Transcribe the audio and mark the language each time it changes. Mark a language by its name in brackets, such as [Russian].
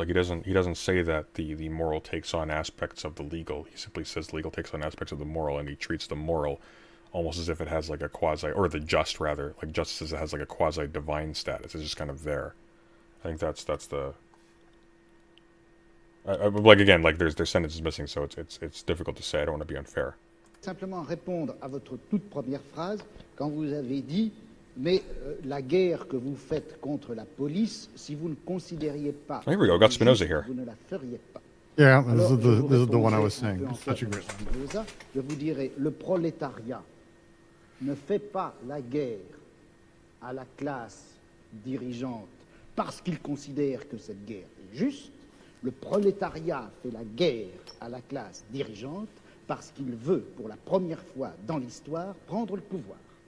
[English] Like, he doesn't say that the moral takes on aspects of the legal. He simply says legal takes on aspects of the moral, and he treats the moral almost as if it has like a quasi, or the just rather, like justice as it has like a quasi divine status. It's just kind of there. I think that's the. Like again, like there's sentences missing, so it's difficult to say. I don't want to be unfair. [French] Simplement répondre à votre toute première phrase quand vous avez dit, mais la guerre que vous faites contre la police, si vous ne considériez pas. [English] Here we go. Got Spinoza here. [French] Vous ne la feriez pas. [English] Yeah, this is the one I was saying. Such a great Spinoza. [French] Je vous dirai, le prolétariat ne fait pas la guerre à la classe dirigeante parce qu'il considère que cette guerre est juste. Le prolétariat fait la guerre à la classe dirigeante parce qu'il veut, pour la première fois dans l'histoire, prendre le pouvoir.